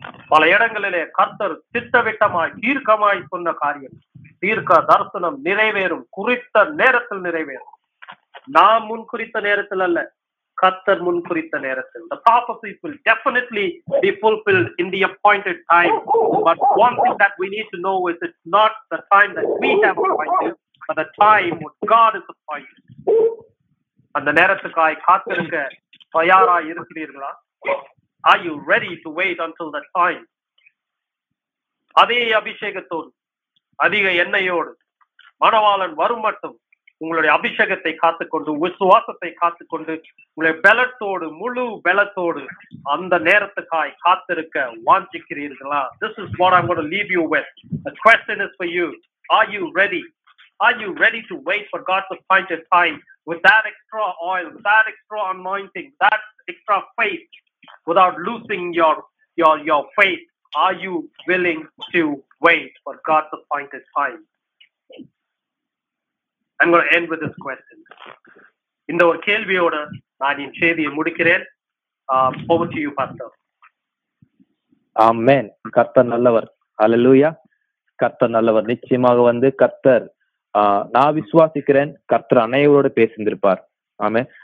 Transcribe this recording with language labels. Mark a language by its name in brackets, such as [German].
[Tamil] பல இடங்களிலே கர்த்தர் திட்டவட்டமாய் தீர்க்கமாய் சொன்ன காரியம், தீர்க்க தரிசனம் நிறைவேறும், குறித்த நேரத்தில் நிறைவேறும். நாம் முன் குறித்த நேரத்தில் அல்ல, கர்த்தர் முன் குறித்த நேரத்தில். [English] The prophecy will definitely be fulfilled in the appointed time. But one thing that we need to know is it's not the time that we have appointed, but the time what God has appointed. [Tamil] அந்த நேரத்துக்காய் காத்திருக்க தயாராய் இருக்கிறீர்களா? [English] Are you ready to wait until that time? [Tamil] அதே அபிஷேகத்தோடு, அதிக எண்ணெயோடு மணவாளன் வரும் மட்டும் உங்களுடைய அபிஷேகத்தை காத்துக்கொண்டு, விசுவாசத்தை காத்துக்கொண்டு, உங்களுடைய பலத்தோடு, முழு பலத்தோடு அந்த நேரத்துக்காய் காத்திருக்க வாஞ்சிக்கிறீர்களா? [English] This is what I'm going to leave you with. The question is for you. Are you ready? Are you ready to wait for God's appointed time with that extra oil, that extra anointing, that extra faith? Without losing your faith, are you willing to wait for God's appointed time? I'm going to end with this question. [Tamil] இந்த ஒரு கேள்வியோட நான் இந்த செய்தியை முடிக்கிறேன். [English] Over to you, Pastor. [Tamil] Amen. கர்த்தர் நல்லவர். Hallelujah. கர்த்தர் நல்லவர். நிச்சயமாக வந்து கர்த்தர், நான் விசுவாசிக்கிறேன் கர்த்தர் அனைவரோடு பேசியிருப்பார். ஆமே.